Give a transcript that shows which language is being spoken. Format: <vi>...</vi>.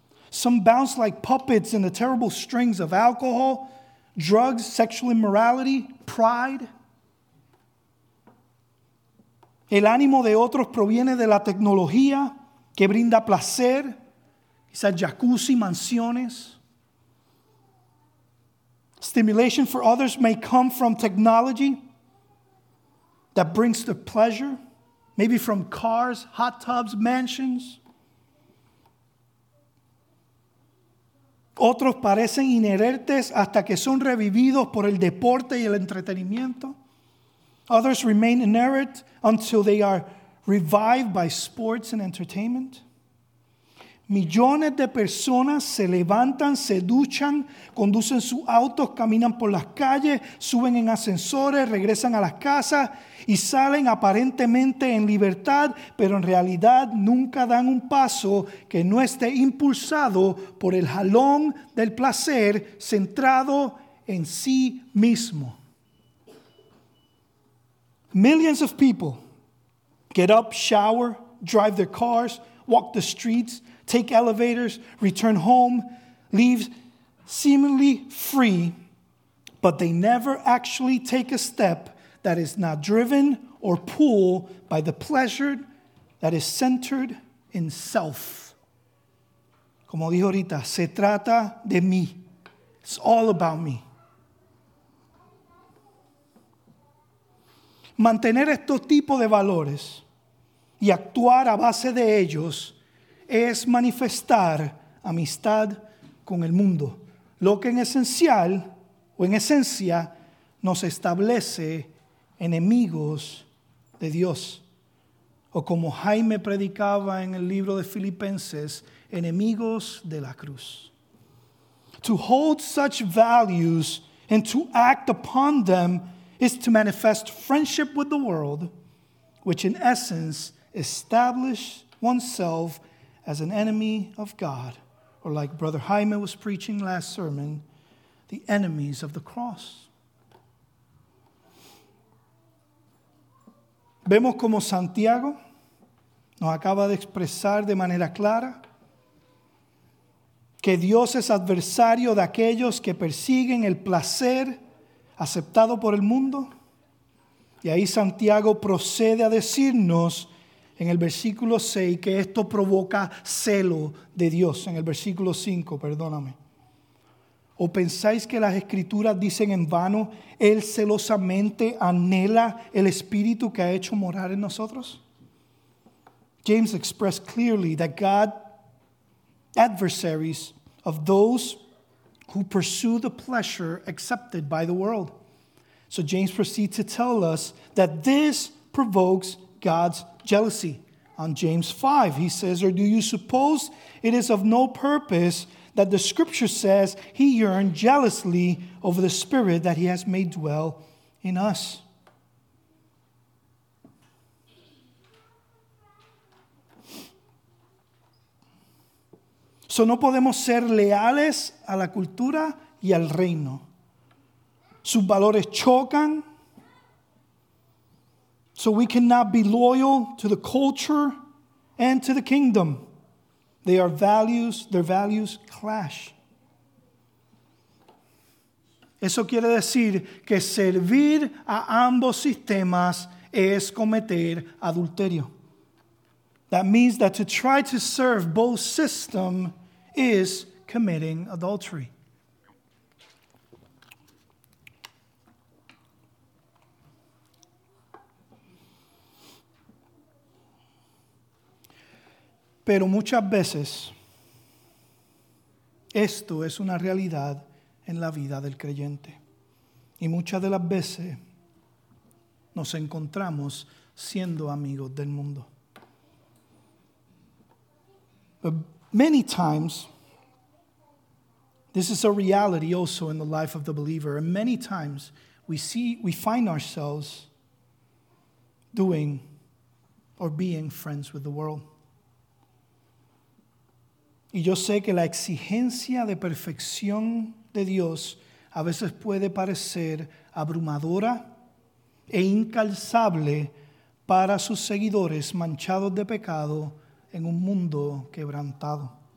<en>Some bounce like puppets in the terrible strings of alcohol, drugs, sexual immorality, pride.</en> <es>El ánimo de otros proviene de la tecnología, que brinda placer, quizás jacuzzi, mansiones.</es> <en>Stimulation for others may come from technology that brings the pleasure, maybe from cars, hot tubs, mansions.</en> <es>Otros parecen inherentes hasta que son revividos por el deporte y el entretenimiento.</es> <en>Others remain inert until they are revived by sports and entertainment.</en> <es>Millones de personas se levantan, se duchan, conducen sus autos, caminan por las calles, suben en ascensores, regresan a las casas y salen aparentemente en libertad, pero en realidad nunca dan un paso que no esté impulsado por el jalón del placer centrado en sí mismo.</es> <en>Millions of people get up, shower, drive their cars, walk the streets, take elevators, return home, leave seemingly free, but they never actually take a step that is not driven or pulled by the pleasure that is centered in self.</en> <es>Como dijo ahorita, se trata de mí.</es> <en>It's all about me.</en> <es>Mantener estos tipos de valores y actuar a base de ellos es manifestar amistad con el mundo, lo que en esencia nos establece enemigos de Dios. O como Jaime predicaba en el libro de Filipenses, enemigos de la cruz.</es> <en>To hold such values and to act upon them is to manifest friendship with the world, which in essence establishes oneself as an enemy of God, or like Brother Jaime was preaching last sermon, the enemies of the cross.</en> <es>Vemos como Santiago nos acaba de expresar de manera clara que Dios es adversario de aquellos que persiguen el placer aceptado por el mundo. Y ahí Santiago procede a decirnos en el versículo 6, que esto provoca celo de Dios. En el versículo 5, perdóname. ¿O pensáis que las Escrituras dicen en vano, Él celosamente anhela el Espíritu que ha hecho morar en nosotros?</es> <en>James expressed clearly that God, adversaries of those who pursue the pleasure accepted by the world. So James proceeds to tell us that this provokes God's jealousy. On James 5, he says, or do you suppose it is of no purpose that the scripture says he yearned jealously over the spirit that he has made dwell in us?</en> <es>So no podemos ser leales a la cultura y al reino. Sus valores chocan.</es> <en>So we cannot be loyal to the culture and to the kingdom. Their values clash.</en> <es>Eso quiere decir que servir a ambos sistemas es cometer adulterio.</es> <en>That means that to try to serve both systems is committing adultery.</en> <es>Pero muchas veces esto es una realidad en la vida del creyente. Y muchas de las veces nos encontramos siendo amigos del mundo.</es> <en>But many times, this is a reality also in the life of the believer. And many times we find ourselves doing or being friends with the world.</en> <es>Y yo sé que la exigencia de perfección de Dios a veces puede parecer abrumadora e incalzable para sus seguidores manchados de pecado en un mundo quebrantado.</es>